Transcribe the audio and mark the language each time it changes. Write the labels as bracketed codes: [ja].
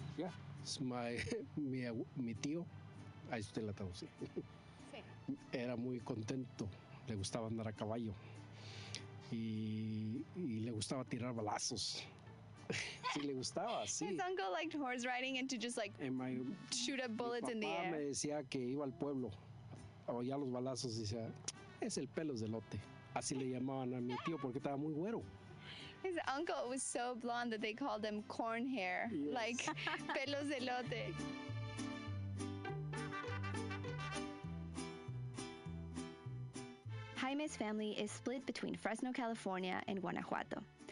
[en] Yeah. It's [es] mi tío. Ahí usted la traducí. Sí. Era muy contento. Le gustaba andar a caballo. Y le gustaba tirar balazos. Sí, le gustaba, sí. [en] His uncle liked horse riding and to just like shoot up bullets in the air. [es] Mi papá me decía que iba al pueblo. Oía los balazos y decía, es el pelo de elote. Así le llamaban a mi tío porque estaba muy güero. [en] His uncle was so blonde that they called him corn hair, yes. [es] Like pelos de elote. [en] Jaime's family is split between Fresno, California and Guanajuato.